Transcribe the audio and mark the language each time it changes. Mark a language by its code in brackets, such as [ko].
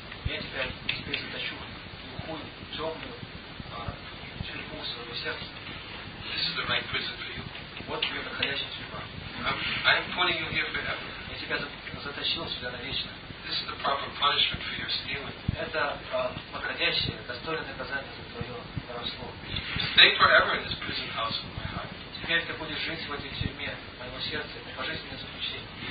[en] This is the right prison for you. What you have a I am putting you here forever. This this is the proper punishment for your stealing. [ru] Это покрадящее достойное наказание за твое воровство. [en] Stay forever in this prison house of my heart. [ru] Теперь ты будешь жить в этой тюрьме моего сердца, это пожизненное заключение.